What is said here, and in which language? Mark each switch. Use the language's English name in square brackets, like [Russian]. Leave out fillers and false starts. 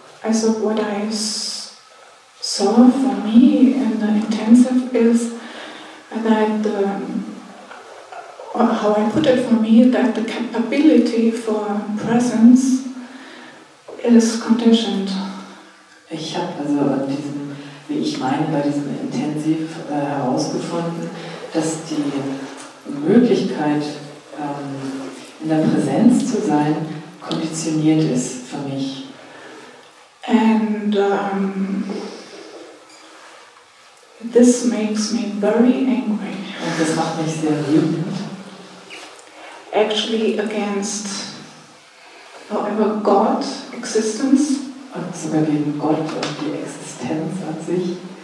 [English] So what I saw for me in the intensive is that or how I put it for me, that the capability for presence is conditioned. [German] Ich habe also an diesem, wie ich meine, bei diesem Intensiv herausgefunden, dass die Möglichkeit in der Präsenz zu sein konditioniert ist für mich. [English] And this makes me very angry. [German] Und das macht mich sehr wütend. [English] Actually against, however, God, existence. [German] Und sogar gegen Gott und die Existenz an sich.